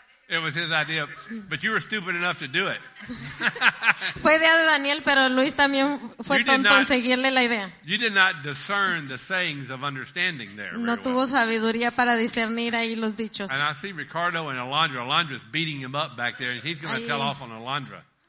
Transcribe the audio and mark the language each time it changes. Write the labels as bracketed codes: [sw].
[en] It was his idea, but you were stupid enough to do it. [es] Fue idea de Daniel, pero Luis también fue tonto en seguirle la idea. [en] You did not discern the sayings of understanding there. [es] No tuvo sabiduría para discernir ahí los dichos. [en] And I see Ricardo and Alondra. Alondra's beating him up back there, and he's going to tell off on Alondra.